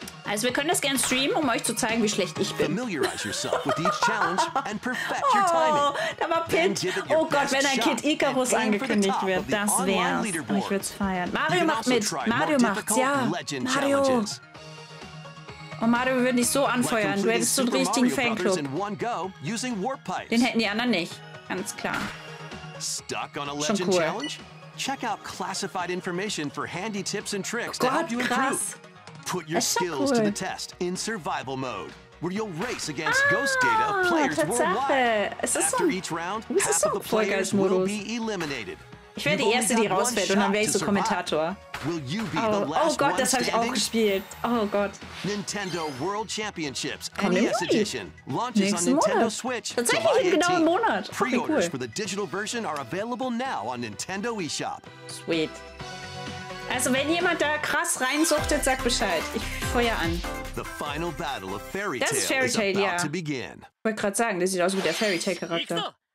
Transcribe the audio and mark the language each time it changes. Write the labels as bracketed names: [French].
[German] Also, wir können das gerne streamen, um euch zu zeigen, wie schlecht ich bin. [English] Familiarize yourself with each challenge and perfect your timing. [German] Oh, da war Pit. Oh Gott, wenn ein Kid Icarus angekündigt wird, das wär's. Ich würde es feiern. Mario macht mit. Mario macht's, ja. Mario. Oh Mario, wir würden dich so anfeuern. Du hättest so einen richtigen Fanclub. Den hätten die anderen nicht. Ganz klar. [English] Stuck on a legend challenge? Check out classified information for handy tips and tricks to help you improve. Put your skills to the test in survival mode, where you'll race against ghost data of players worldwide. After each round, half of the players will be eliminated. [German] Ich werde die Erste, die rausfällt, und dann werde ich so Kommentator. Oh, oh Gott, das habe ich auch gespielt. Oh Gott. [English] Nintendo World Championships NES Edition launches on Nintendo Switch. [German] Tatsächlich in genau einem Monat. [English] Pre-orders for the digital version are available now on Nintendo eShop. Sweet. [German] Also wenn jemand da krass reinsuchtet, sagt Bescheid. Ich feuer an. [English] The final battle of Fairy Tail is about to begin. [German] Ich wollte gerade sagen, das sieht aus wie der Fairy Tail Charakter.